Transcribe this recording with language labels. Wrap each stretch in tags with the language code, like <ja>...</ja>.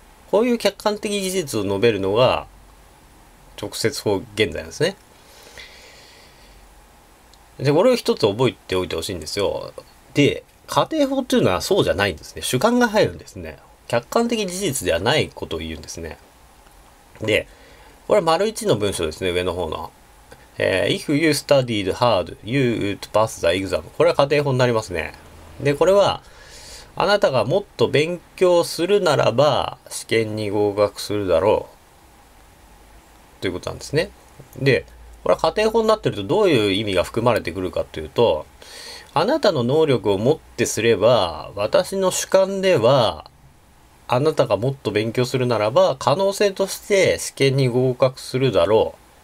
<ja>こういう客観的事実を述べるのが、直接法現在なんですね。で、これを一つ覚えておいてほしいんですよ。で、仮定法っていうのはそうじゃないんですね。主観が入るんですね。客観的事実ではないことを言うんですね。で、これ、丸一の文章ですね、上の方の。</ja> <en>If you studied hard, you would pass the exam。</en> <ja>これは仮定法になりますね。で、これは、あなたがもっと勉強するならば、試験に合格するだろう。ということなんですね。で、これは仮定法になってると、どういう意味が含まれてくるかというと、あなたの能力をもってすれば、私の主観では、あなたがもっと勉強するならば、可能性として試験に合格するだろう。</ja>